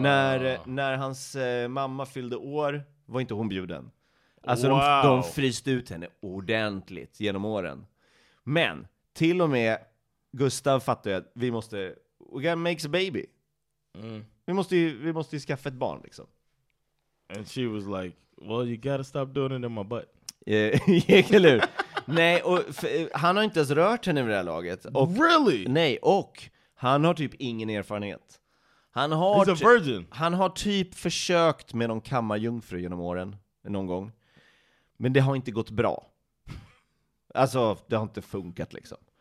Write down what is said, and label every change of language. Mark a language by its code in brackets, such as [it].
[sv] När hans mamma fyllde år var inte hon bjuden. Alltså wow. De fryste ut henne ordentligt genom åren. Men till och med Gustav fattade att vi måste, [en] we gotta make a baby. Mm. [sv] Vi måste ju skaffa ett barn liksom. [en] And she was like, well you gotta stop doing it in my butt. [sv] Eller hur? Nej, och han har inte ens rört henne vid det här laget. Och, [en] really? [sv] Nej, och han har typ ingen erfarenhet. Han har, [en] he's a virgin. [sv] Han har typ försökt med någon kammarjungfru genom åren någon gång. Men det har inte gått bra. Alltså, det har inte funkat liksom.